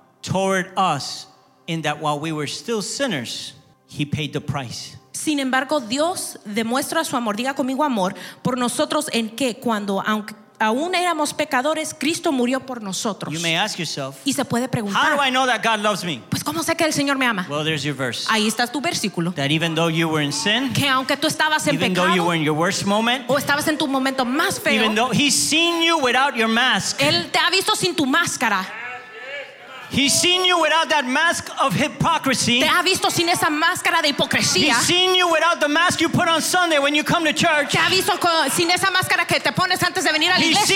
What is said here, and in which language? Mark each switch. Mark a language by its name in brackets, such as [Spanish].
[English] Toward us, in that while we were still sinners, he paid the price. [Spanish] Sin embargo, Dios demuestra su amor, diga conmigo amor, por nosotros en que cuando aunque aún éramos pecadores, Cristo murió por nosotros. [English] You may ask yourself, [Spanish] y se puede preguntar, [English] how do I know that God loves me? [Spanish] Pues ¿cómo sé que el Señor me ama? [English] Well, there's your verse. [Spanish] Ahí está tu versículo. [English] That even though you were in sin, [Spanish] que aunque tú estabas en [English] even [Spanish] pecado, [English] though you were in your worst moment, [Spanish] o estabas en tu momento más feo, [English] even though he's seen you without your mask, [Spanish] Él te ha visto sin tu máscara. [English] He's seen you without that mask of hypocrisy. [Spanish] Te ha visto sin esa máscara de hipocresía. [English] He's seen you without the mask you put on Sunday when you come to church. [Spanish] Te ha visto sin esa máscara que te pones antes de venir a la iglesia.